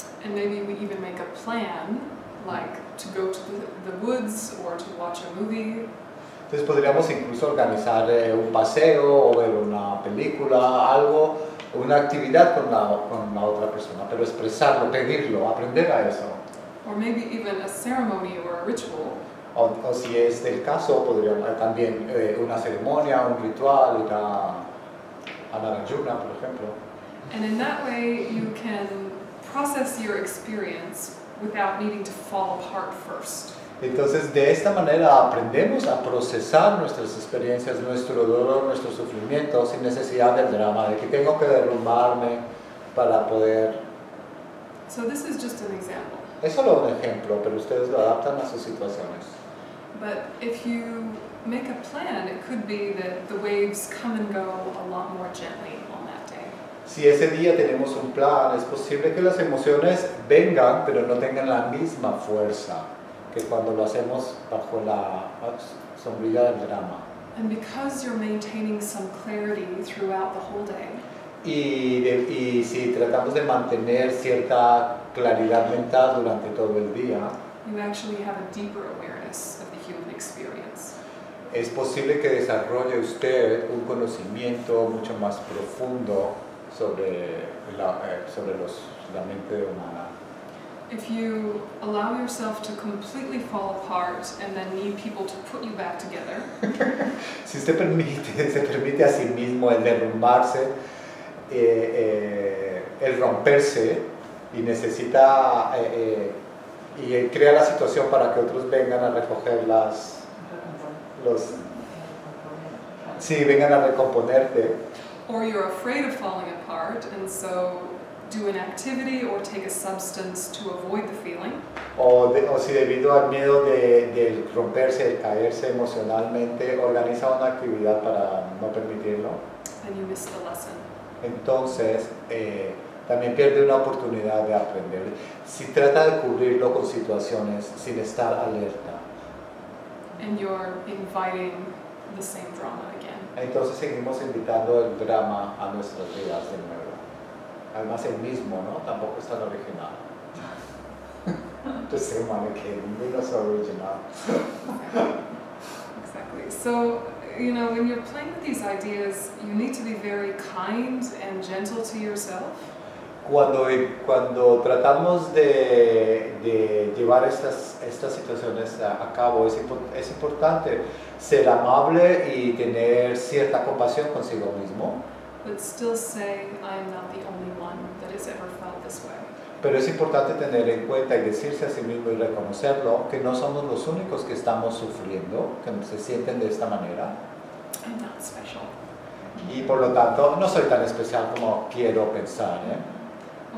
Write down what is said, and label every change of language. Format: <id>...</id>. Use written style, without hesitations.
<en>And maybe we even make a plan, like to go to the woods or to watch a movie.</en> <es>Entonces podríamos incluso organizar un paseo o ver una película, algo, una actividad con la otra persona, pero expresarlo, pedirlo, aprender a eso.</es> <en>Or maybe even a ceremony or a ritual.</en> <es>O si es el caso, podría hablar también una ceremonia, un ritual, una anarayuna, por ejemplo.</es> <en>And in that way, you can process your experience without needing to fall apart first.</en> <es>Entonces, de esta manera aprendemos a procesar nuestras experiencias, nuestro dolor, nuestro sufrimiento, sin necesidad del drama, de que tengo que derrumbarme para poder...</es> <en>So this is just an example.</en> <es>Es solo un ejemplo, pero ustedes lo adaptan a sus situaciones.</es> <en>But if you make a plan, it could be that the waves come and go a lot more gently on that day.</en> <es>Si ese día tenemos un plan, es posible que las emociones vengan, pero no tengan la misma fuerza que cuando lo hacemos bajo la sombrilla del drama.</es> <en>And because you're maintaining some clarity throughout the whole day.</en> <es>Y si tratamos de mantener cierta claridad mental durante todo el día,</es> <en>you actually have a deeper awareness of the human experience.</en> <es>Es posible que desarrolle usted un conocimiento mucho más profundo sobre la mente humana.</es> <en>If you allow yourself to completely fall apart and then need people to put you back together.</en> <es>Si usted se permite a sí mismo el derrumbarse, el romperse y necesita y crea la situación para que otros vengan a recoger vengan a recomponerte.</es> <en>Or you're afraid of falling apart and so do an activity or take a substance to avoid the feeling.</en> <es>O si debido al miedo de romperse, de caerse emocionalmente, organiza una actividad para no permitirlo.</es> <en>Then you miss the lesson.</en> <es>Entonces, también pierde una oportunidad de aprender. Si trata de cubrirlo con situaciones sin estar alerta.</es> <en>And you're inviting the same drama again.</en> <es>Entonces seguimos invitando el drama a nuestras vidas de nuevo. Además el mismo, ¿no? Tampoco es tan original.</es> <en>The same one again. Maybe not original. Exactly. So, you know, when you're playing with these ideas, you need to be very kind and gentle to yourself.</en> <es>Cuando tratamos de llevar estas situaciones a cabo, es importante ser amable y tener cierta compasión consigo mismo.</es> <en>But still say, I am not the only one that has ever felt this way.</en> <es>Pero es importante tener en cuenta y decirse a sí mismo y reconocerlo que no somos los únicos que estamos sufriendo, que se sienten de esta manera.</es> <en>I'm not special.</en> <es>Y por lo tanto, no soy tan especial como quiero pensar, ¿eh?</es>